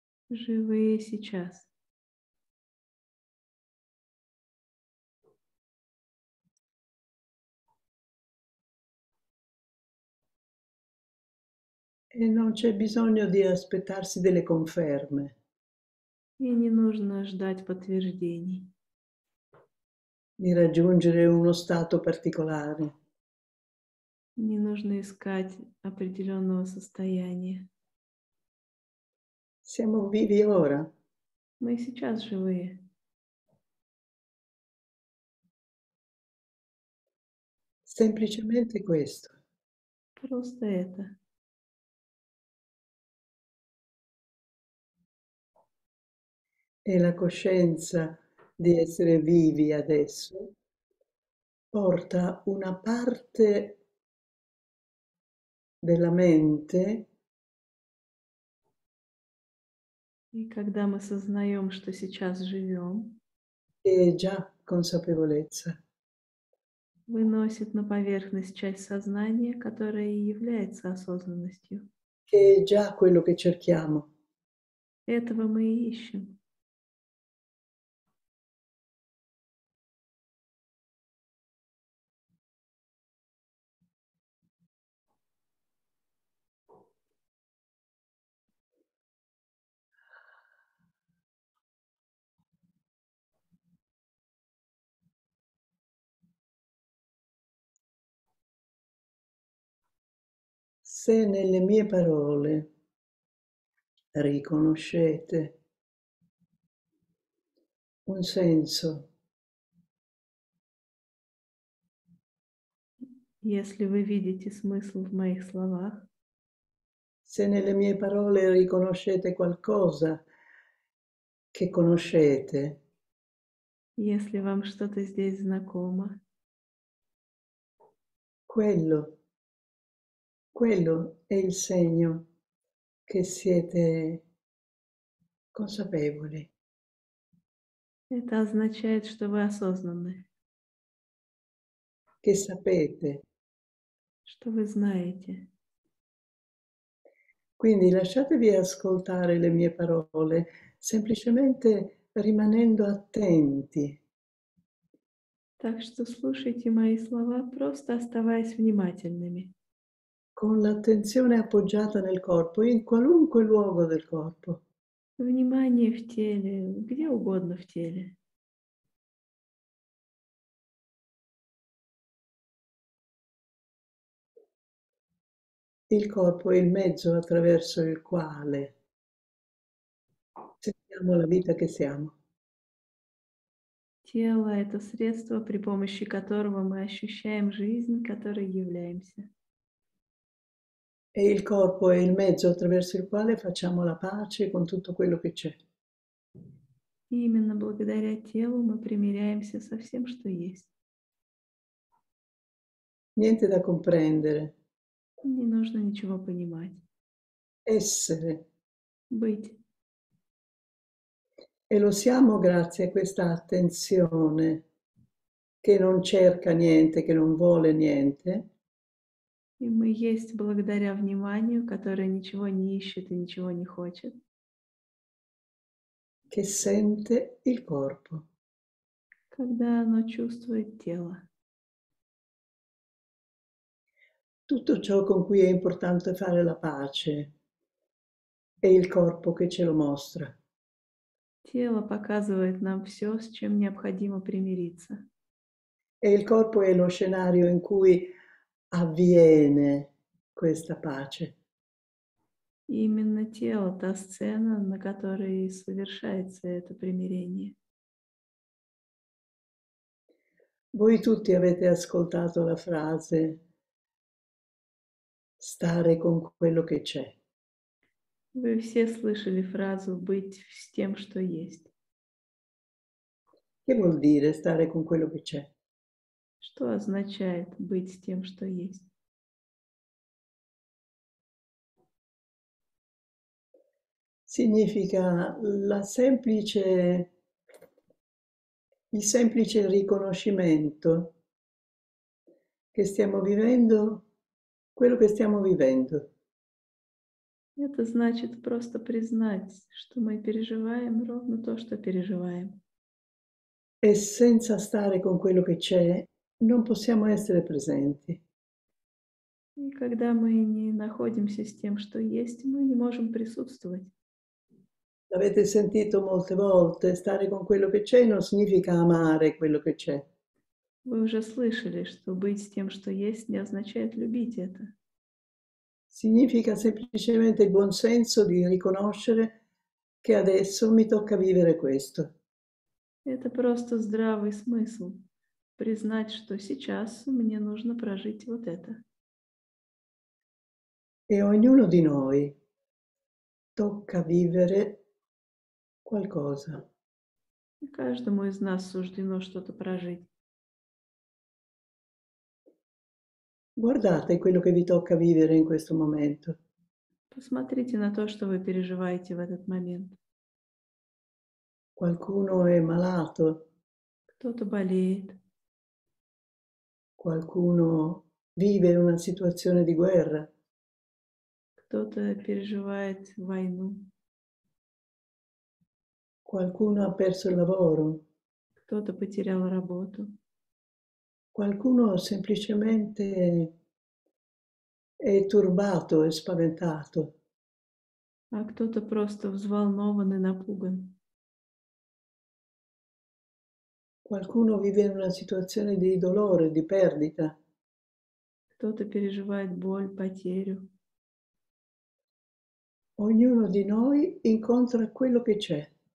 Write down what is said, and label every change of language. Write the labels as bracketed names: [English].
[Russian] Живые сейчас. [Italian] E non c'è bisogno di aspettarsi delle conferme. [Russian] И не нужно ждать подтверждений. [Italian] Di raggiungere uno stato particolare. [Russian] Не нужно искать определенного состояния. [Italian] Siamo vivi ora. Sentiamo [Russian] Мы сейчас живые. [Italian] semplicemente questo. [Russian] Просто это. [Italian] E la coscienza di essere vivi adesso porta una parte della mente. [Russian] И когда мы сознаем, что сейчас живем, [Italian] E già consapevolezza. [Russian] выносит на поверхность часть сознания, которая и является осознанностью. [Italian] Che è già quello che cerchiamo. [Russian] Этого мы и ищем. [Italian] Se nelle mie parole riconoscete un senso, [Russian] Если вы видите смысл в моих словах, [Italian] se nelle mie parole riconoscete qualcosa che conoscete, [Russian] если вам что-то здесь знакомо, [Italian] quello è il segno che siete consapevoli. [Russian] это означает, что вы осознанны. [Italian] Che sapete. [Russian] Что вы знаете? [Italian] Quindi lasciatevi ascoltare le mie parole, semplicemente rimanendo attenti. [Russian] Так что слушайте мои слова, просто оставаясь внимательными. [Italian] Con l'attenzione appoggiata nel corpo, in qualunque luogo del corpo. [Russian] Внимание в теле, где угодно в теле. [Italian] Il corpo è il mezzo attraverso il quale sentiamo la vita che siamo. [Russian] Тело — это средство, при помощи которого мы ощущаем жизнь, которой являемся. [Italian] E il corpo è il mezzo attraverso il quale facciamo la pace con tutto quello che c'è. [Russian] Именно благодаря телу мы примиряемся со всем, что есть. [Italian] Niente da comprendere. [Russian] Не нужно ничего понимать. [Italian] Essere. [Russian] Быть. [Italian] E lo siamo grazie a questa attenzione che non cerca niente, che non vuole niente. [Russian] И мы есть благодаря вниманию, которое ничего не ищет и ничего не хочет. [Italian] Che sente il corpo. [Russian] Когда оно чувствует тело. [Italian] Tutto ciò con cui è importante fare la pace è il corpo che ce lo mostra. [Russian] Тело показывает нам все, с чем необходимо примириться. [Italian] E il corpo è lo scenario in cui avviene questa pace. [Russian] Именно тело, та сцена, на которой совершается это примирение. [Italian] Voi tutti avete ascoltato la frase stare con quello che c'è. [Russian] Вы все слышали фразу «быть с тем, что есть». [Italian] Che vuol dire stare con quello che c'è? [Russian] Что означает «быть с тем, что есть»? [Italian] Significa il semplice riconoscimento che stiamo vivendo, quello che stiamo vivendo. [Russian] Это значит просто признать, что мы переживаем ровно то, что переживаем. [Italian] E senza stare con quello che c'è, non possiamo essere presenti. [Russian] И когда мы не находимся с тем, что есть, мы не можем присутствовать. [Italian] L'avete sentito molte volte, stare con quello che c'è non significa amare quello che c'è. [Russian] Вы уже слышали, что быть с тем, что есть, не означает любить это. [Italian] Significa semplicemente il buon senso di riconoscere che adesso mi tocca vivere questo. [Russian] Это просто здравый смысл признать, что сейчас мне нужно прожить вот это. [Italian] E ognuno di noi tocca vivere qualcosa. [Russian] И каждому из нас суждено что-то прожить. [Italian] Guardate quello che vi tocca vivere in questo momento. [Russian] Посмотрите на то, что вы переживаете в этот момент. [Italian] Qualcuno è malato. [Russian] Кто-то болеет. [Italian] Qualcuno vive una situazione di guerra. [Russian] Кто-то переживает войну. [Italian] Qualcuno ha perso il lavoro. [Russian] Кто-то потерял работу. [Italian] Qualcuno semplicemente è turbato, è spaventato. [Russian] А кто-то просто взволнован и напуган. [Italian] Qualcuno vive in una situazione di dolore, di perdita. [Russian] Кто-то переживает боль, потерю. [Italian] Ognuno di noi incontra quello che c'è.